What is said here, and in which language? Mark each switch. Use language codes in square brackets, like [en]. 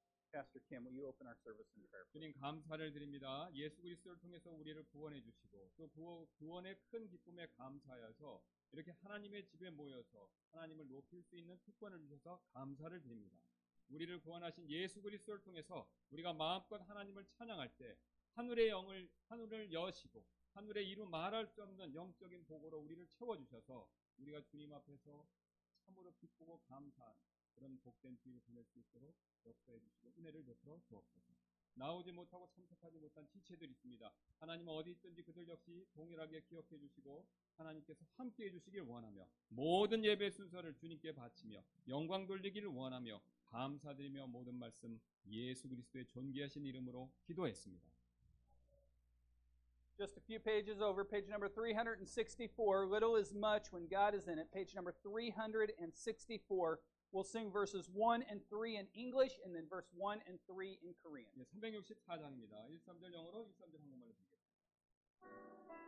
[en] Pastor Kim, will you open our service in prayer? [ko] 주님 감사를 드립니다. 예수 그리스도를 통해서 우리를 구원해 주시고 또 구원의 큰 기쁨에 감사하여서 이렇게 하나님의 집에 모여서 하나님을 높일 수 있는 특권을 주셔서 감사를 드립니다. 우리를 구원하신 예수 그리스도를 통해서 우리가 마음껏 하나님을 찬양할 때 하늘의 영을 하늘을 여시고 하늘에 이루 말할 수 없는 영적인 복으로 우리를 채워주셔서 우리가 주님 앞에서 참으로 기쁘고 감사한 그런 복된 주일을 보낼 수 있도록 역사해 주시고 은혜를 베풀어 주옵소서. 나오지 못하고 참석하지 못한 지체들 있습니다. 하나님 어디 있든지 그들 역시 동일하게 기억해 주시고 하나님께서 함께 해 주시길 원하며 모든 예배 순서를 주님께 바치며 영광 돌리기를 원하며 감사드리며 모든 말씀 예수 그리스도의 존귀하신 이름으로 기도했습니다. [en] Just a few pages over, page number 364. Little is much when God is in it. Page number 364. We'll sing verses 1 and 3 in English and then verse 1 and 3 in Korean. [ko] 예, 364장입니다. 1-3절 영어로 1-3절 한국말로 드리겠습니다.